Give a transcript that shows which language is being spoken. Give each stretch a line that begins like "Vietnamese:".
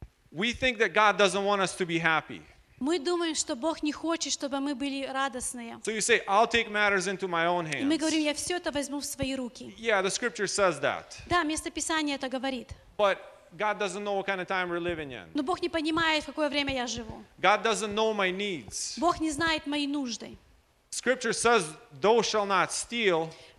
English: We think that God doesn't want us to be happy.
Russian: Мы думаем, что Бог не хочет, чтобы мы были радостные.
English: So you say, I'll take matters into my own hands.
Russian: И мы говорим, я все это возьму в свои руки.
English: Yeah, the scripture says that.
Russian: Да, место Писания это говорит.
English: But God doesn't know what kind of time we're living in.
Russian: Но Бог не понимает, в какое время я живу.
English: God doesn't know my needs.
Russian: Бог не знает мои нужды.
English: Scripture says, "Thou shall not steal."